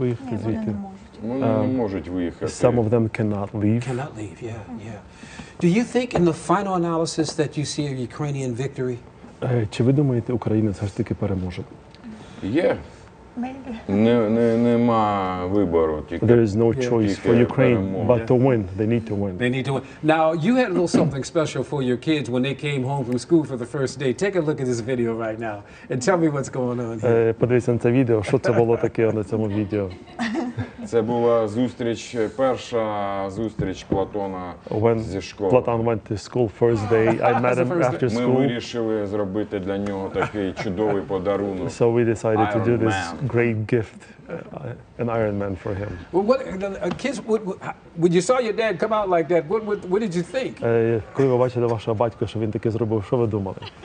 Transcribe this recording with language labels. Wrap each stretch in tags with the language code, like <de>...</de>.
<uk>Чи вони хочуть виїхати, чи вони там не можуть виїхати?</uk> <en>Some of them cannot leave. Cannot leave. Yeah, yeah. Do you think in the final analysis that you see a Ukrainian victory?</en> <uk>Чи ви думаєте, Україна все ж таки переможе? Є. Нема вибору, тільки</uk> <en>There is no choice for Ukraine but to win. They need to win. Now, you had a little something special for your kids when they came home from school for the first day. Take a look at this video right now and tell me what's going on here.</en> <uk>Подивіться на це відео, що це було таке на цьому відео. Це була зустріч, перша зустріч Платона зі школи.</uk> <en>Платон went to school first day. I met him after school.</en> <uk>Ми вирішили зробити для нього такий чудовий подарунок.</uk> <en>So we decided to do this great gift, an Iron Man for him. Well, when you saw your dad come out like that, what did you think?</en> <uk>Коли ви бачили вашого батька, що він таке зробив, що ви думали?</uk>